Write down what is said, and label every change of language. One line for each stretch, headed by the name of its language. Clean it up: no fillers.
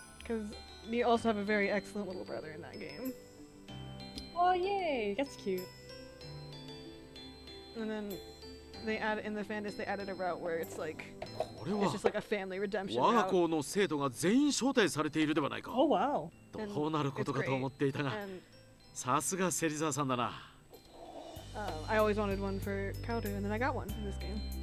English: Because you also have a very excellent little brother in that game. Oh, yay! That's cute. And then... They add in the fantasy, they added a route where it's like it's just like a family redemption.
Japanese: 我が校の生徒が全員招待されているではないか。
English: Oh wow.
Japanese: どうなることかと思っていたが、さすが芹沢さんだな。
English: I always wanted one for Kaoru, and then I got one in this game.